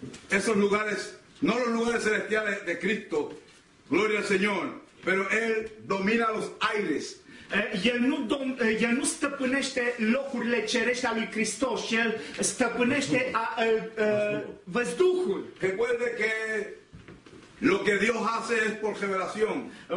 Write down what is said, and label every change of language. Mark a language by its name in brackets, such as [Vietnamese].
[Spanish] Esos lugares, no los lugares celestiales de Cristo, gloria al Señor, pero Él domina los aires. [Romanian] El nu stăpânește locurile cerești ale lui Hristos, ci El stăpânește văzduhul. [Spanish] Recuerde que lo que Dios hace es por revelación.